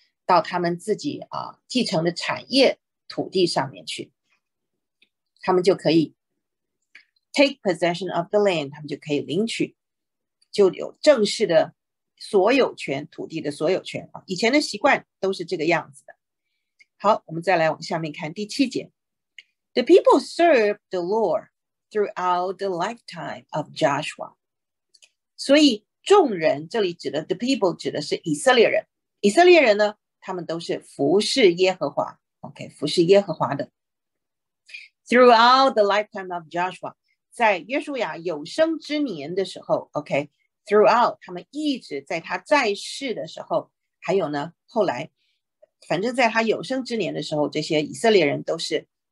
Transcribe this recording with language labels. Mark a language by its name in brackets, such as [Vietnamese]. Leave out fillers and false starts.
[Chinese] 到他们自己继承的产业土地上面去。他们就可以 [English] take possession of the land. [Chinese] 他们就可以领取就有正式的所有权土地的所有权啊。以前的习惯都是这个样子的。好我们再来往下面看第七节。 [English] The people served the Lord throughout the lifetime of Joshua. [Chinese] 所以众人这里指的 [English] the people [Chinese] 指的是以色列人。以色列人呢他们都是服侍耶和华 okay, 服侍耶和华的。 [English] Throughout the lifetime of Joshua, [Chinese] 在约书亚有生之年的时候 okay, throughout, 他们一直在他在世的时候还有呢后来反正在他有生之年的时候这些以色列人都是